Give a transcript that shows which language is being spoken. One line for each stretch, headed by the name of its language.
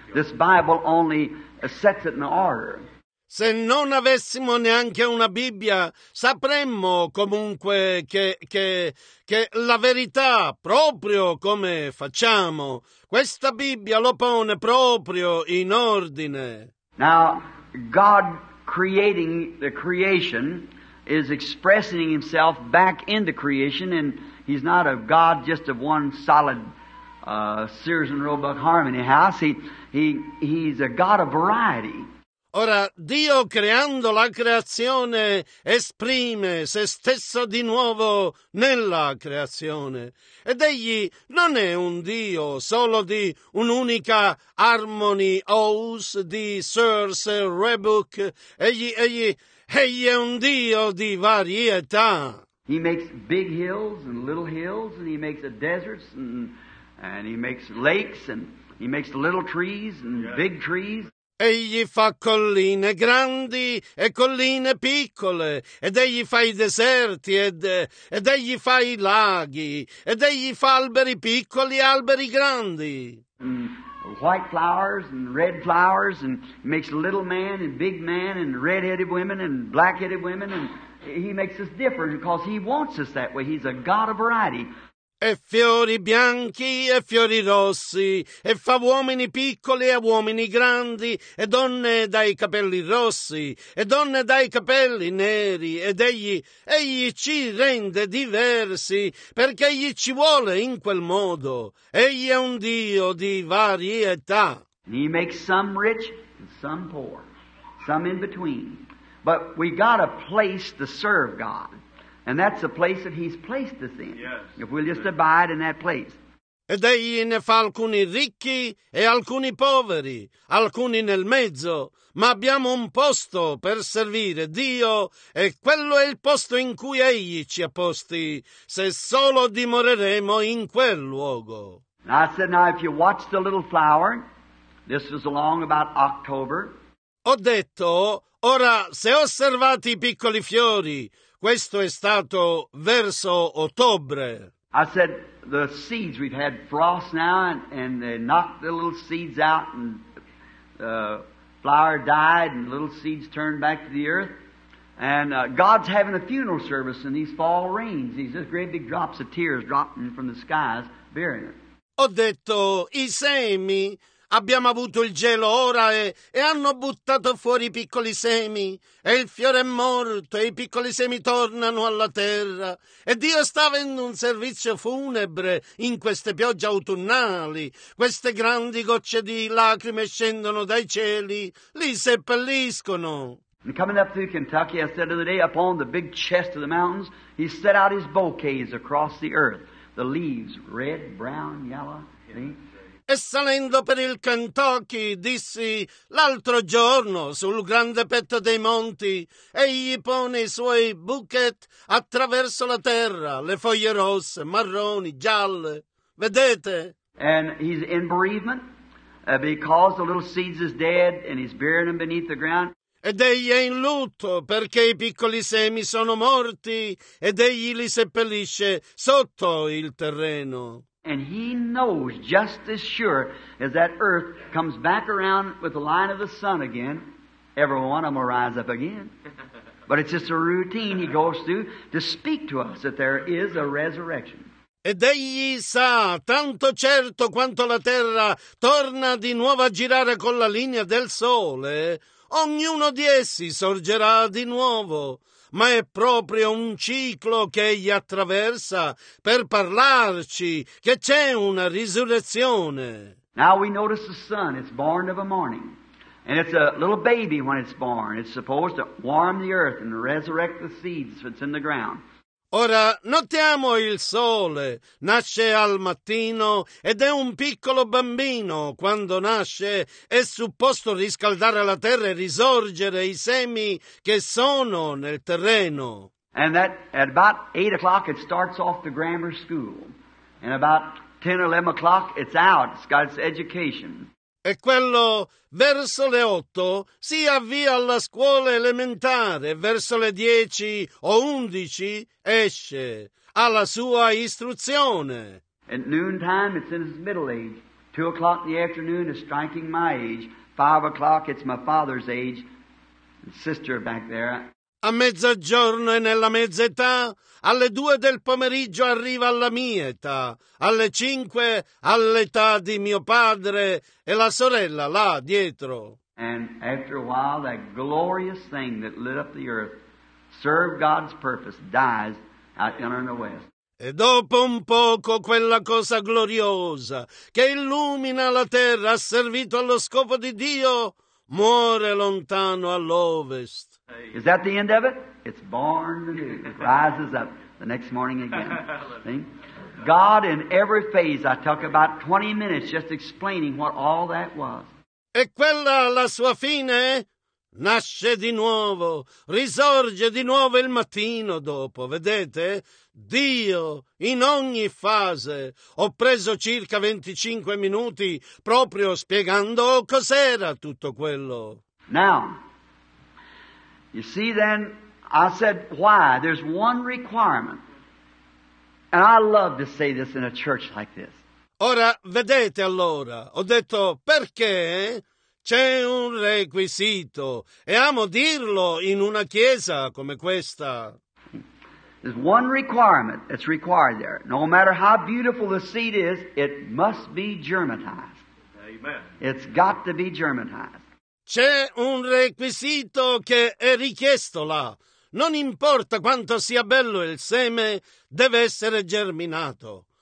English: This Bible only sets it in order.
Italian: Se non avessimo neanche una Bibbia, sapremmo comunque che la verità, proprio come facciamo, questa Bibbia lo pone proprio in ordine.
English: Now, God creating the creation is expressing himself back into creation, and he's not a God just of one solid Sears and Roebuck Harmony House. He's a God of variety.
Italian: Ora, Dio creando la creazione esprime se stesso di nuovo nella creazione. Ed egli non è un Dio solo di un'unica Harmony House di Sears and Roebuck. Egli è un Dio di varietà.
English: He makes big hills and little hills, and he makes a deserts and he makes lakes, and he makes little trees and big trees.
Italian: Egli fa colline grandi e colline piccole, ed egli fa i deserti, ed egli fa i laghi, ed egli fa alberi piccoli e alberi grandi.
English: And white flowers and red flowers, and makes little man and big man and red-headed women and black-headed women, and he makes us different because he wants us that way. He's a God of variety.
Italian: E fiori bianchi e fiori rossi, e fa uomini piccoli e uomini grandi, e donne dai capelli rossi, e donne dai capelli neri, ed egli ci rende diversi, perché egli ci vuole in quel modo. Egli è un Dio di varietà.
English: He makes some rich and some poor, some in between. But we got a place to serve God. And that's the place that he's placed us in. Yes. If we'll just abide in that place.
Italian: Ed egli ne fa alcuni ricchi e alcuni poveri, alcuni nel mezzo, ma abbiamo un posto per servire Dio, e quello è il posto in cui egli ci ha posti, se solo dimoreremo in quel luogo.
English: Now I said, now if you watch the little flower, this was along about October.
Italian: Ho detto, ora se osservate i piccoli fiori, questo è stato verso ottobre.
English: I said the seeds, we've had frost now, and they knocked the little seeds out, and the flower died, and the little seeds turned back to the earth. And God's having a funeral service in these fall rains. These just great big drops of tears dropping from the skies, burying it.
Italian: Ho detto, i semi, abbiamo avuto il gelo ora e hanno buttato fuori i piccoli semi, e il fiore è morto e i piccoli semi tornano alla terra, e Dio sta avendo un servizio funebre in queste piogge autunnali, queste grandi gocce di lacrime scendono dai cieli, li seppelliscono.
English: And coming up through Kentucky, I said the other day, upon the big chest of the mountains, he set out his bouquets across the earth, the leaves, red, brown, yellow, see?
Italian: E salendo per il Kentucky, dissi, l'altro giorno, sul grande petto dei monti, egli pone i suoi bouquet attraverso la terra, le foglie rosse, marroni, gialle. Vedete?
English: And he's in bereavement, because the little seeds is dead, and he's burying them beneath the ground.
Italian: Ed egli è in lutto perché i piccoli semi sono morti, ed egli li seppellisce sotto il terreno.
English: And he knows just as sure as that earth comes back around with the line of the sun again, every one of them will rise up again. But it's just a routine he goes through to speak to us that there is a resurrection.
Italian: Ed egli sa, tanto certo quanto la terra torna di nuovo a girare con la linea del sole, ognuno di essi sorgerà di nuovo. Ma è proprio un ciclo che egli attraversa per parlarci che c'è una risurrezione.
English: Now we notice the sun, it's born of a morning. And it's a little baby when it's born. It's supposed to warm the earth and resurrect the seeds that's in the ground.
Italian: Ora notiamo il sole, nasce al mattino ed è un piccolo bambino. Quando nasce è supposto riscaldare la terra e risorgere i semi che sono nel terreno.
English: And that at about 8 o'clock it starts off the grammar school. And about 10 or 11 o'clock it's out, it's got its education.
Italian: E quello verso le 8 si avvia alla scuola elementare, verso le 10 o 11 esce alla sua istruzione.
English: At noontime it's in his middle age, 2 o'clock in the afternoon is striking my age, 5 o'clock it's my father's age, sister back there.
Italian: A mezzogiorno è nella mezza età, alle 2 del pomeriggio arriva alla mia età, alle 5 all'età di mio padre e la sorella là dietro.
English: And after a while that glorious thing that lit up the earth, served God's purpose, dies out in the west.
Italian: E dopo un poco quella cosa gloriosa che illumina la terra ha servito allo scopo di Dio, muore lontano all'ovest.
English: Is that the end of it? It's born and it rises up the next morning again. See? God in every phase, I talk about 20 minutes just explaining what all that was.
Italian: E quella la sua fine? Nasce di nuovo, risorge di nuovo il mattino dopo, vedete? Dio in ogni fase. Ho preso circa 25 minuti proprio spiegando cos'era tutto quello.
English: Now, you see then, I said, why? There's one requirement. And I love to say this in a church like this.
Italian: Ora, vedete allora, ho detto, perché? C'è un requisito, e amo dirlo in una chiesa come questa.
English: There's one requirement that's required there. No matter how beautiful the seed is, it must be germinized. Amen. It's got to be germinized.
Italian: C'è un requisito che è richiesto là. Non importa quanto sia bello il seme, deve essere germinato.